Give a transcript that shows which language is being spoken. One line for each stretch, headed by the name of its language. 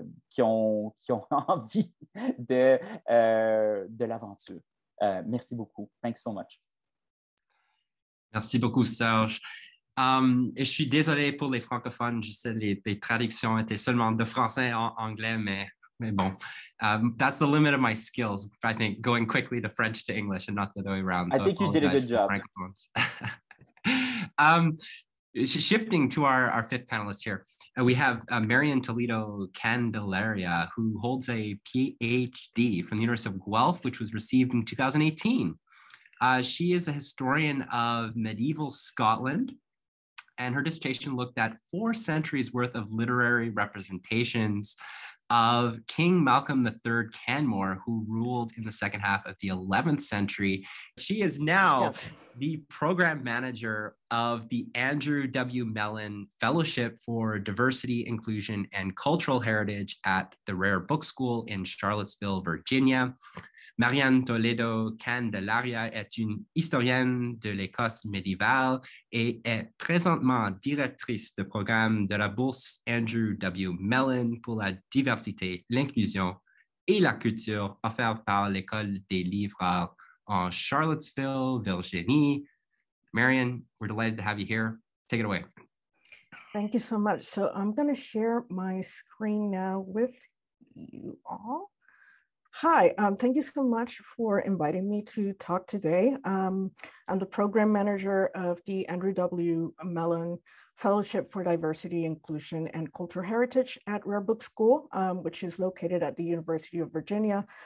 French: Qui ont envie de l'aventure. Merci beaucoup.
English: Thanks so much.
French: Merci beaucoup, Serge. Je suis désolé pour les francophones. Je sais que les traductions étaient seulement de français en anglais, mais bon.
English: That's the limit of my skills, I think, going quickly to French to English and not the other way around. So I think you did a good job. Francophones. Shifting to our fifth panelist here, we have Marian Toledo Candelaria, who holds a PhD from the University of Guelph, which was received in 2018. She is a historian of medieval Scotland, and her dissertation looked at 4 centuries worth of literary representations of King Malcolm III Canmore, who ruled in the second half of the 11th century. She is now the program manager of the Andrew W. Mellon Fellowship for Diversity, Inclusion, and Cultural Heritage at the Rare Book School in Charlottesville, Virginia.
French: Marian Toledo Candelaria est une historienne de l'Écosse médiévale et est présentement directrice de programme de la Bourse Andrew W. Mellon pour la diversité, l'inclusion et la culture offerte par l'École des livres en Charlottesville, Virginie.
English: Marian, we're delighted to have you here. Take it away. Thank you so much. So I'm going to share my screen now with you all. Hi, thank you so much for inviting me to talk today. I'm the program manager of the Andrew W. Mellon Fellowship for Diversity, Inclusion, and Cultural Heritage at Rare Book School, which is located at the University of Virginia.